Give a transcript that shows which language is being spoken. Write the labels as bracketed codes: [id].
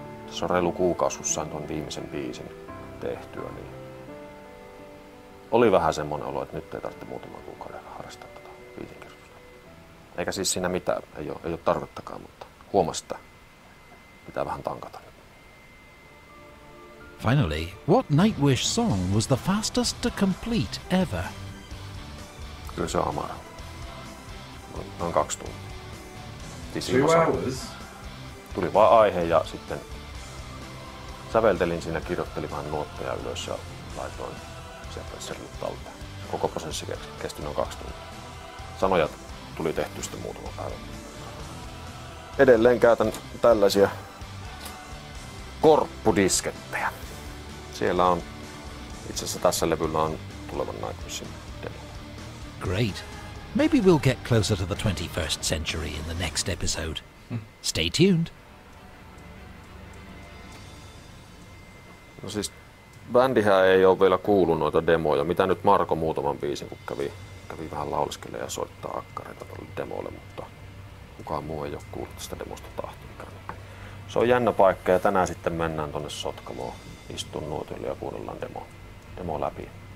[fi] Se on reilu kuukausi, kun sain tuon viimeisen biisin tehtyä, niin oli vähän semmoinen olo, että nyt ei tarvitse muutaman kuukauden harrastaa tätä biisinkirjoitusta. Eikä siis siinä mitään, ei ole tarvettakaan, mutta huomasi, että pitää vähän tankata. [en] Finally, what Nightwish song was the fastest to complete ever? [fi] Kyllä se on Amara. Noin 2 tuntia. [en] Two hours? [fi] tuli vaan aihe ja sitten säveltelin siinä, kirjoittelin vähän nuotteja ylös ja laitoin sepressorille talteen. Koko prosessi kesti noin 2 tuntia. Sanoja tuli tehty sitten muutama päivä. Edelleen käytän tällaisia korppudiskettejä. Siellä on, itse asiassa tässä levyllä on tulevan Nightwishin demo. [en] Great. Maybe we'll get closer to the 21st century in the next episode. Stay tuned. [fi] No siis, bändihän ei ole vielä kuullut noita demoja. Mitä nyt Marko muutaman biisin, kun kävi vähän lauliskelle ja soittaa akkareita tuolle demolle, mutta kukaan muu ei ole kuullut tästä demosta tahtoikään. Se on jännä paikka ja tänään sitten mennään tuonne Sotkamoon. Istun nuotiolle ja kuunnellaan demo läpi.